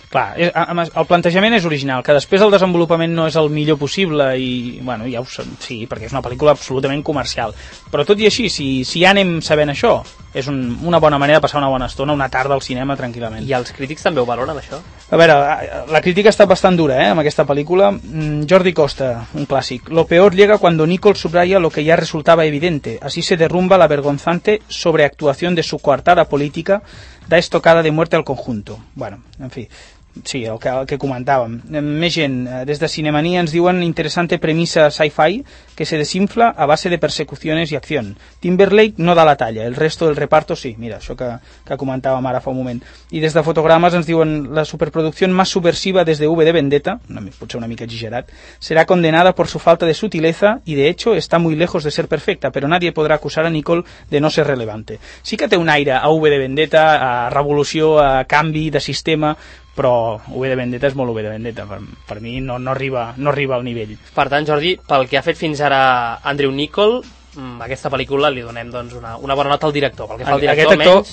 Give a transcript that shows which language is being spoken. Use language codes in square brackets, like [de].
[ca] Clar, el plantejament és original, que després el desenvolupament no és el millor possible i, bueno, ja ho sé, sí, perquè és una pel·lícula absolutament comercial. Però tot i així, si ja anem sabent això, és una bona manera de passar una bona estona, una tarda al cinema tranquil·lament. I els crítics també ho valoren, això? A veure, la crítica està bastant dura, amb aquesta pel·lícula. Jordi Costa, un clàssic. [es] Lo peor llega cuando Nicole subraya lo que ya resultaba evidente. Así se derrumba la vergonzante sobreactuación de su coartada política, da estocada de muerte al conjunto. [ca] Bueno, en fi... Sí, el que comentàvem. Més gent, des de Cinemania ens diuen [es] interessante premisa sci-fi que se desinfla a base de persecuciones y acción. Timberlake no da la talla, el resto del reparto sí. [ca] Mira, això que comentàvem ara fa un moment. I des de Fotogrames ens diuen [es] la superproducción más subversiva desde V de Vendetta, [ca] potser una mica exagerat, [es] será condenada por su falta de sutileza y de hecho está muy lejos de ser perfecta, pero nadie podrá acusar a Nicole de no ser relevante. [ca] Sí que té un aire a V de Vendetta, a revolució, a canvi de sistema... Però V de Vendetta és molt V de Vendetta, per mi no arriba al nivell. Per tant, Jordi, pel que ha fet fins ara Andrew Niccol, aquesta pel·lícula li donem doncs una bona nota al director, pel que fa al director.